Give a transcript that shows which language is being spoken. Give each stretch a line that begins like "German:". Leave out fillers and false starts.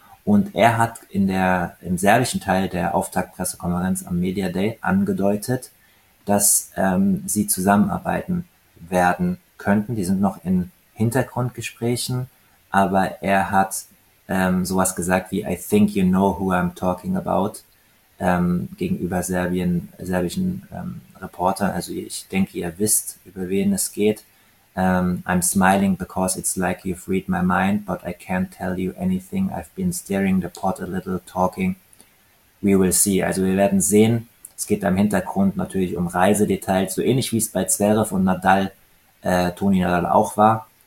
German: Und er hat im serbischen Teil der Auftaktpressekonferenz am Media Day angedeutet, dass sie zusammenarbeiten werden könnten. Die sind noch in Hintergrundgesprächen, aber er hat sowas gesagt wie
English: "I think you know who I'm talking about"
German: gegenüber serbischen Reportern. Also ich denke, ihr wisst, über wen es geht.
English: "I'm smiling because it's like you've read my mind, but I can't tell you anything. I've been stirring the pot a little, talking. We will see."
German: Also wir werden sehen. Es geht da im Hintergrund natürlich um Reisedetails, so ähnlich wie es bei Zverev und Nadal, Toni Nadal auch war.